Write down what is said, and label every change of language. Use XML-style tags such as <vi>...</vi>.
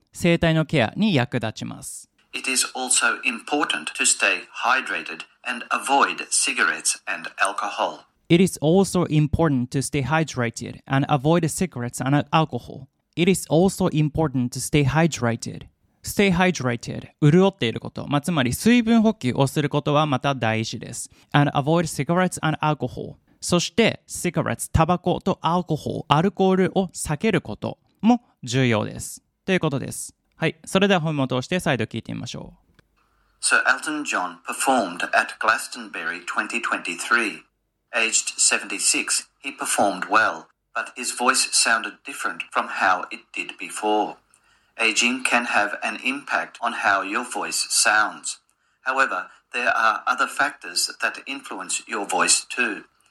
<ja>声帯のケアに役立ちます。</ja> <en>It is also important to stay hydrated and avoid cigarettes and alcohol. It is also important to stay hydrated and avoid cigarettes and alcohol. It is also important to stay hydrated. Stay hydrated.</en> <ja>潤っていること、まあ、つまり水分補給をすることはまた大事です。</ja> <en>And avoid cigarettes and alcohol.</en> <ja>そして cigarettes、タバコとアルコール、アルコールを避けることも重要です。ということです。はい、それでは本文を通して再度聞いてみましょう。</ja> <en>Sir Elton John performed at Glastonbury 2023. Aged 76, he performed well, but his voice sounded different from how it did before. Aging can have an impact on how your voice sounds. However, there are other factors that influence your voice too.</en>